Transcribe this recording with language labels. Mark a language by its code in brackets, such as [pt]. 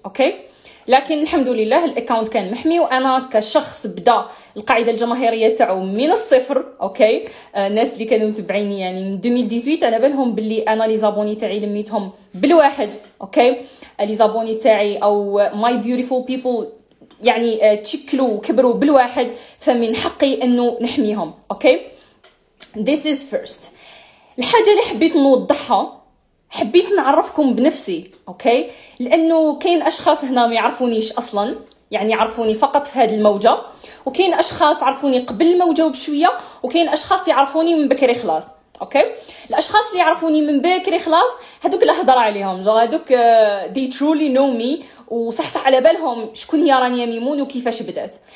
[ar] اوكي لكن الحمد لله الاكونت كان محمي وانا كشخص بدا القاعده الجماهيريه تاعو من الصفر. اوكي الناس اللي كانوا متبعيني يعني من 2018 على بالهم باللي انا [fr] لي زابوني [ar] تاعي لميتهم بالواحد. اوكي لي زابوني تاعي او [en] my beautiful people [ar] يعني تشكلوا وكبروا بالواحد، فمن حقي انه نحميهم. [en] Okay this is first. [ar] الحاجة اللي حبيت نوضحها، حبيت نعرفكم بنفسي. اوكي لانه كاين اشخاص هنا ما يعرفونيش اصلا، يعني يعرفوني فقط في هذه الموجة، وكاين اشخاص عرفوني قبل الموجة وبشوية، وكاين اشخاص يعرفوني من بكري خلاص. اوكي الاشخاص اللي يعرفوني من بكري خلاص هذوك اللي هضر عليهم جو هذوك [en] they truly know me، [ar] وصحصح على بالهم شكون هي رانيا ميمون وكيفاش بدات.